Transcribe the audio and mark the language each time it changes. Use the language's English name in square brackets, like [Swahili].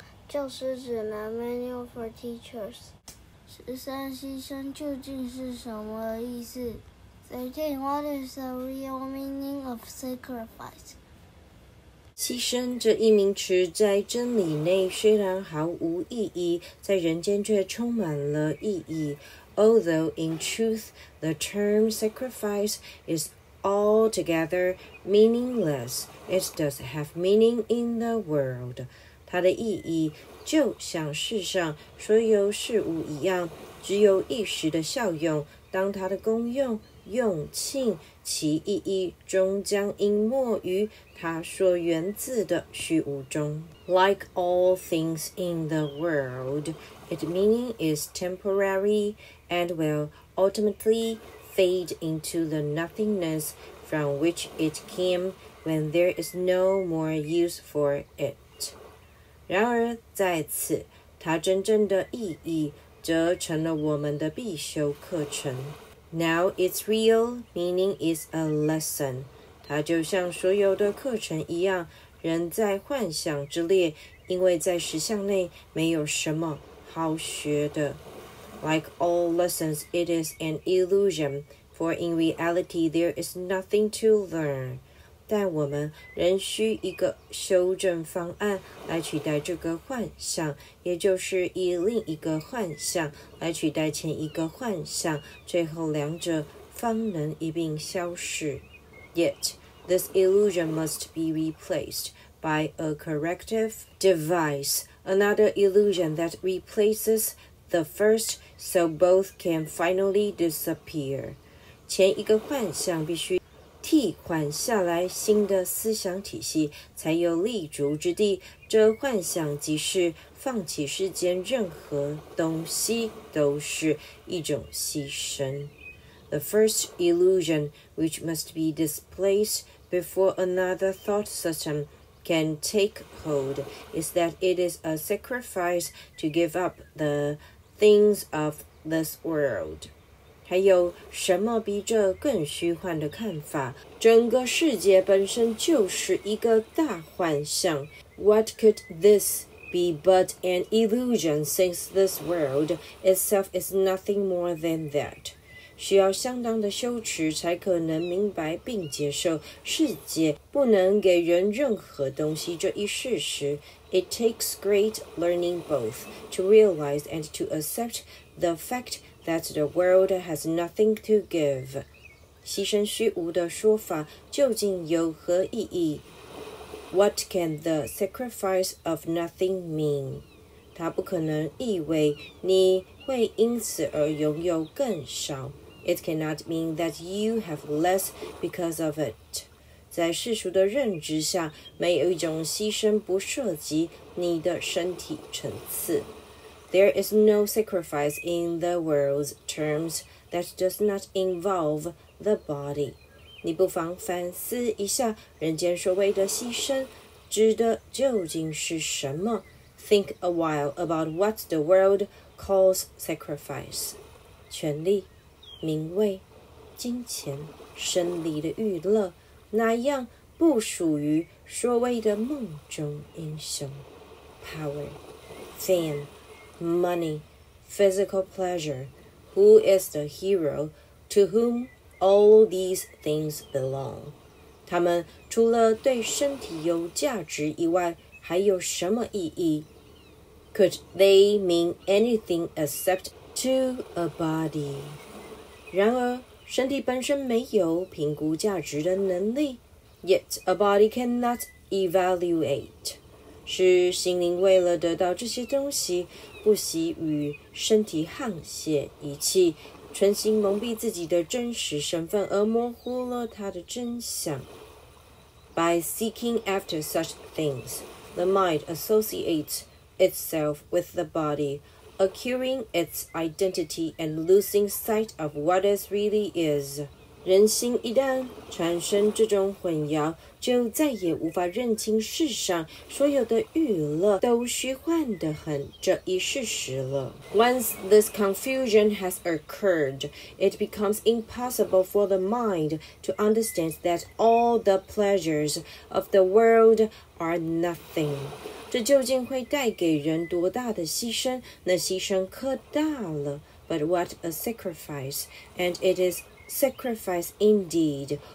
[Chinese] 教师指南 [English] Manual for Teachers. [Chinese] 13牺牲究竟是什么意思？13. [English] What is the real meaning of sacrifice? [Chinese] 牺牲这一名词在真理内虽然毫无意义，在人间却充满了意义。 [English] Although in truth the term sacrifice is altogether meaningless, it does have meaning in the world. [Chinese] 它的意义就像世上所有事物一样，只有一时的效用。当它的功用用尽，其意义终将隐没于它所源自的虚无中。 [English] Like all things in the world, its meaning is temporary and will ultimately fade into the nothingness from which it came when there is no more use for it. [Chinese] 然而在此，它真正的意义则成了我们的必修课程。 [English] Now its real meaning is a lesson. [Chinese] 它就像所有的课程一样，人在幻想之列，因为在实相内没有什么好学的。 [English] Like all lessons, it is an illusion, for in reality there is nothing to learn. [Chinese] 但我们仍需一个修正方案来取代这个幻想，也就是以另一个幻想来取代前一个幻想，最后两者方能一并消失。 [English] Yet, this illusion must be replaced by a corrective device, another illusion that replaces the first so both can finally disappear. [Chinese] 前一个幻想必须替换下来新的思想体系，才有立足之地。这幻想即是放弃世间任何东西，都是一种牺牲。 [English] The first illusion which must be displaced before another thought system can take hold is that it is a sacrifice to give up the things of this world. [Chinese] 还有什么比这更虚幻的看法？整个世界本身就是一个大幻象。 [English] What could this be but an illusion, since this world itself is nothing more than that? [Chinese] 需要相当的羞耻才可能明白并接受世界不能给人任何东西这一事实。 [English] It takes great learning both to realize and to accept the factthat the world has nothing to give. [Chinese] 牺牲虚无的说法究竟有何意义？ [English] What can the sacrifice of nothing mean? [Chinese] 它不可能意味你会因此而拥有更少。 [English] It cannot mean that you have less because of it. [Chinese] 在世俗的认知下，没有一种牺牲不涉及你的身体层次。 [English] There is no sacrifice in the world's terms that does not involve the body. [Chinese] 你不妨反思一下，人间所谓的牺牲指的究竟是什么？ [English] think a while about what the world calls sacrifice. [Chinese] 权力、名位、金钱、生理的娱乐，哪样不属于所谓的梦中英雄？ [English] Power, fame, money, physical pleasure. Who is the hero to whom all these things belong? [Chinese] 他们除了对身体有价值以外，还有什么意义？ [English] Could they mean anything except to a body? [Chinese] 然而，身体本身没有评估价值的能力。 [English] Yet a body cannot evaluate. [Chinese] 是心灵为了得到这些东西，不惜与身体沆瀣一气，存心蒙蔽自己的真实身份，而模糊了他的真相。 [English] By seeking after such things, the mind associates itself with the body, acquiring its identity and losing sight of what it really is. [Chinese] 人心一旦产生这种混淆，就再也无法认清世上所有的娱乐都虚幻得很这一事实了。 [English] Once this confusion has occurred, it becomes impossible for the mind to understand that all the pleasures of the world are nothing. [Chinese] 这究竟会带给人多大的牺牲？那牺牲可大了。 [English] But what a sacrifice, and it is sacrifice indeed.